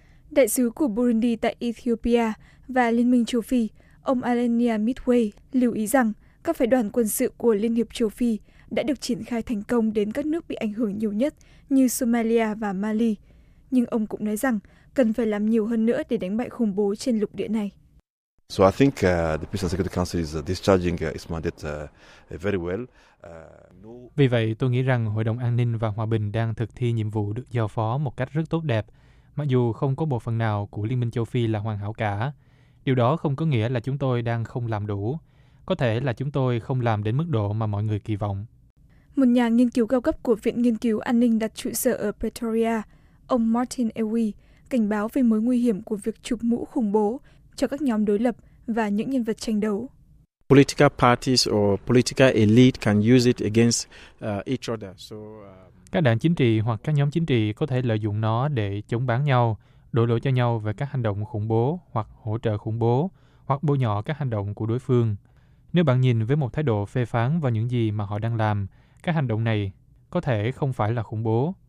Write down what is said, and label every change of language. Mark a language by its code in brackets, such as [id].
[vi] Đại sứ của Burundi tại Ethiopia và Liên minh châu Phi, ông Alenia Midway, lưu ý rằng các phái đoàn quân sự của Liên hiệp châu Phi đã được triển khai thành công đến các nước bị ảnh hưởng nhiều nhất như Somalia và Mali. Nhưng ông cũng nói rằng cần phải làm nhiều hơn nữa để đánh bại khủng bố trên lục địa này. [en] So I think the Peace and Security Council is discharging its mandate very well. [vi] Vì vậy, tôi nghĩ rằng Hội đồng An ninh và Hòa bình đang thực thi nhiệm vụ được giao phó một cách rất tốt đẹp, mặc dù không có bộ phận nào của Liên minh châu Phi là hoàn hảo cả. Điều đó không có nghĩa là chúng tôi đang không làm đủ. Có thể là chúng tôi không làm đến mức độ mà mọi người kỳ vọng. Một nhà nghiên cứu cao cấp của Viện Nghiên cứu An ninh đặt trụ sở ở Pretoria, ông Martin Ewy cảnh báo về mối nguy hiểm của việc chụp mũ khủng bố cho các nhóm đối lập và những nhân vật tranh đấu. [en] Political parties or political elite can use it against each other. So [vi] các đảng chính trị hoặc các nhóm chính trị có thể lợi dụng nó để chống bán nhau, đổ lỗi cho nhau về các hành động khủng bố hoặc hỗ trợ khủng bố hoặc bôi nhọ các hành động của đối phương. Nếu bạn nhìn với một thái độ phê phán vào những gì mà họ đang làm, các hành động này có thể không phải là khủng bố.